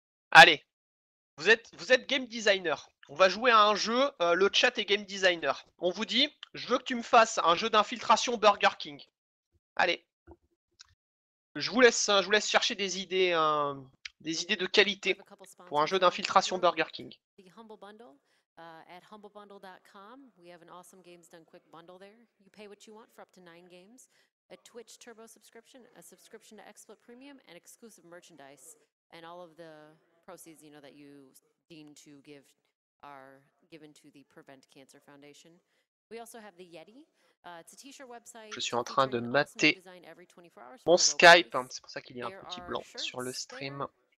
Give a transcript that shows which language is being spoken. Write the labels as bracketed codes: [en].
[fr] Allez, vous êtes game designer. On va jouer à un jeu, le chat est game designer. On vous dit, je veux que tu me fasses un jeu d'infiltration Burger King. Allez, je vous laisse chercher des idées de qualité pour un jeu d'infiltration Burger King. [en] At humblebundle.com, we have an awesome games done quick bundle there. You pay what you want for up to 9 games, a Twitch Turbo subscription, a subscription to XSplit Premium, and exclusive merchandise, and all of the proceeds, you know, that you deem to give are given to the Prevent Cancer Foundation. We also have the Yeti. It's a t-shirt website. [fr] Je suis en train de mater mon Skype, c'est pour ça qu'il y a un petit blanc sur le stream.